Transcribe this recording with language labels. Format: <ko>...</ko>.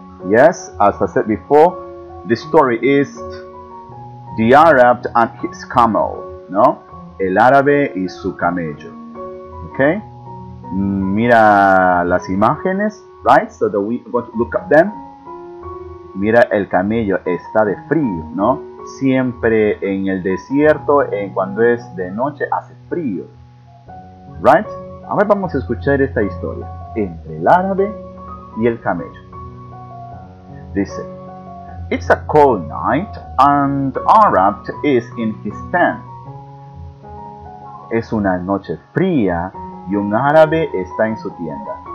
<en>Yes, as I said before, the story is the Arab and his camel, no?</en> <es>El árabe y su camello. Okay? Mira las imágenes,</es> <en>right? So that we want to look at them.</en> <es>Mira, el camello está de frío, no? Siempre en el desierto, en cuando es de noche, hace frío. Right? Ahora vamos a escuchar esta historia entre el árabe y el camello.</es> <en>Dice: It's a cold night and Arab is in his tent.</en> <es>Es una noche fría y un árabe está en su tienda.</es>